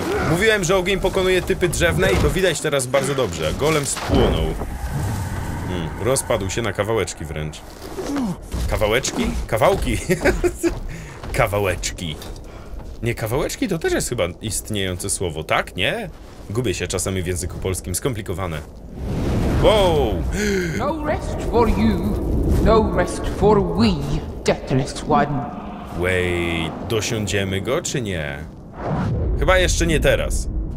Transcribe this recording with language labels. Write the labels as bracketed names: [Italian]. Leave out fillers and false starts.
[Polish] Mówiłem, że ogień pokonuje typy drzewne i to widać teraz bardzo dobrze. Golem spłonął. Rozpadł się na kawałeczki wręcz. Kawałeczki? Kawałki! Kawałeczki. Nie, kawałeczki to też jest chyba istniejące słowo, tak? Nie? Gubię się czasami w języku polskim, skomplikowane. Wow! [English] No rest for you, no rest for we, deathless one. [Polish] Wait, dosiądziemy go czy nie? Chyba jeszcze nie teraz.